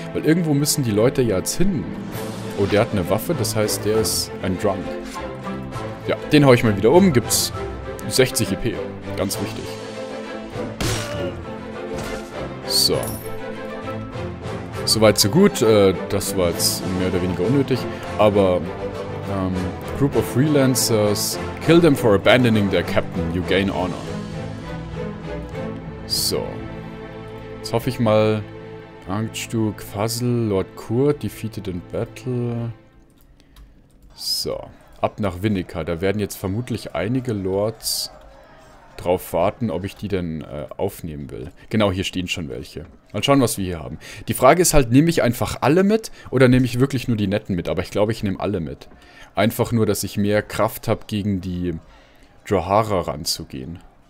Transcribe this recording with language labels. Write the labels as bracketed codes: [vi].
[de] Weil irgendwo müssen die Leute ja jetzt hin. Oh, der hat eine Waffe, das heißt, der ist ein Drunk. Ja, den hau ich mal wieder um. Gibt's 60 EP. Ganz wichtig. So. Soweit, so gut. Das war jetzt mehr oder weniger unnötig. Aber, Group of Freelancers. [en] Kill them for abandoning their captain. You gain honor. [de] So. Jetzt hoffe ich mal. Angstuk, Fuzzle, Lord Kurt, [en] defeated in battle. [de] So. Ab nach Vinica. Da werden jetzt vermutlich einige Lords drauf warten, ob ich die denn aufnehmen will. Genau, hier stehen schon welche. Mal schauen, was wir hier haben. Die Frage ist halt, nehme ich einfach alle mit oder nehme ich wirklich nur die netten mit? Aber ich glaube, ich nehme alle mit. Einfach nur, dass ich mehr Kraft habe, gegen die Drahara ranzugehen.